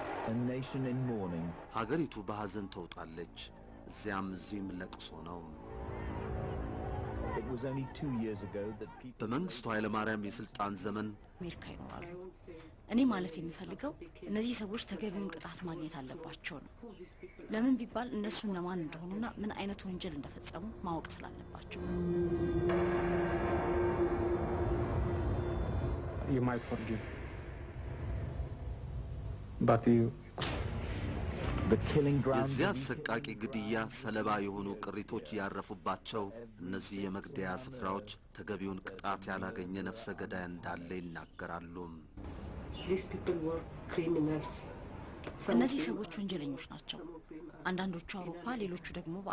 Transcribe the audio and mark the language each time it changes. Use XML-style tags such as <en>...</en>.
<en>A nation in mourning.</en> <am>ሀገሪቱ በሐዘን ተውጣለች ዚያም ዚም ለቅሶ ነው።</am> <en>It was only 2 years ago that people</en> <am>በመንግስቱ ኃይለ ማርያም የስልጣን ዘመን አሜሪካ ይኖራሉ። እኔ ማለት የምፈልገው እነዚህ ሰዎች ተገቢውን ቅጣት ማግኘት አለባቸው ነው። ለምን ቢባል እነሱ ለማን እንደሆኑና ምን አይነት ወንጀል እንደፈጸሙ ማወቅ ስላለባቸው።</am> <en>You might forgive. But you the killing ground</en> <am>የዚያስቃቂ ግድያ ሰለባ የሆኑ ቅሪቶች ያረፉባቸው እነዚህ የመግደያ ስፍራዎች ተገቢውን ቅጣት ያላገኘ ነፍሰ ገዳይ እንዳለ ይናገራሉ።</am> <en>These people were criminals.</en> <am>እነዚህ ሰዎች ወንጀለኞች ናቸው። አንዳንዶቹ አውሮፓ ሌሎቹ ደግሞ</am>